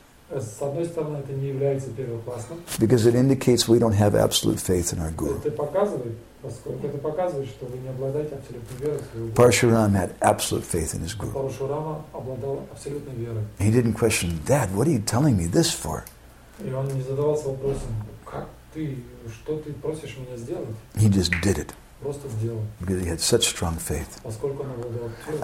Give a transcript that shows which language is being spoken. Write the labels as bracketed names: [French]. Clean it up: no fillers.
[Russian] С одной стороны, это не является первоклассным. [English] Because it indicates we don't have absolute faith in our guru. [Russian] Это показывает, что вы не обладаете абсолютной верой в своего [English] гуру. Parashurama had absolute faith in his guru. [Russian] Parashurama обладал абсолютной верой. [English] He didn't question, Dad, what are you telling me this for? [Russian] И он не задавался вопросом, как ты, что ты просишь меня сделать? [English] He just did it. [Russian] Просто сделал. [English] Because he had such strong faith. [Russian] Поскольку он обладал твердой верой.